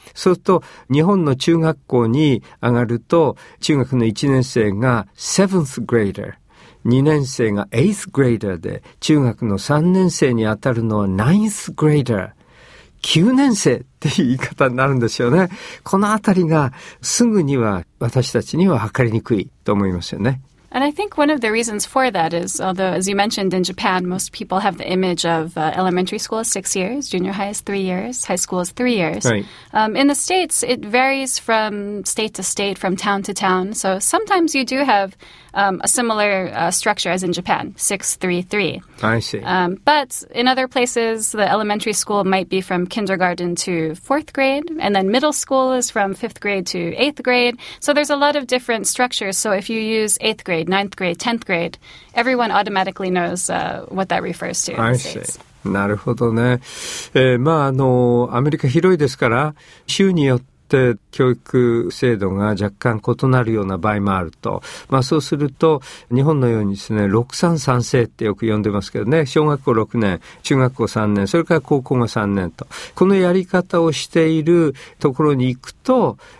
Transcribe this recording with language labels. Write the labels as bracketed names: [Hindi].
[Japanese] そうすると日本の中学校に上がると中学の1年生が 7th grader、 2年生が 8th grader で、中学の3年生に当たるのは 9th grader、 9年生っていう言い方になるんですよね。このあたりがすぐには私たちには測りにくいと思いますよね。 [English] And I think one of the reasons for that is, although, as you mentioned, in Japan, most people have the image of elementary school is 6 years, junior high is 3 years, high school is 3 years. Right. In the States, it varies from state to state, from town to town. So sometimes you do have a similar structure as in Japan, 6-3-3. I see. But in other places, the elementary school might be from kindergarten to fourth grade, and then middle school is from fifth grade to eighth grade. So there's a lot of different structures. So if you use eighth grade, ninth grade, tenth grade, everyone automatically knows what that refers to. I see. [Japanese] なるほどね。まあ、アメリカ広いですから、州によって教育制度が若干異なるような場合もあると、まあ、そうすると日本のようにですね、633制ってよく呼んでますけどね、小学校6年、中学校3年、それから高校が3年と、このやり方をしているところに行くと、